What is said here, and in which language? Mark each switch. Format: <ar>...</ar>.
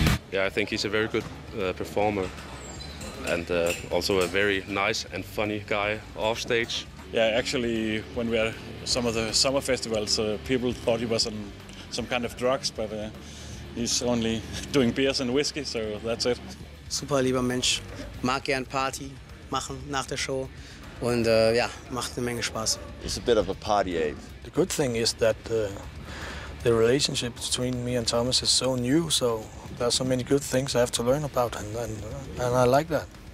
<en>Yeah, I think he's a very good performer. And also a very nice and funny guy off stage. Yeah, actually, when we had some of the summer festivals, people thought he was on some kind of drugs, but he's only doing beers and whiskey, so that's it.</en> <de>Super lieber Mensch, mag gern Party machen nach der Show, und macht eine Menge Spaß.</de> <en>He's a bit of a party ape. The good thing is that the relationship between me and Thomas is so new, so there are so many good things I have to learn about, and I like that.</en>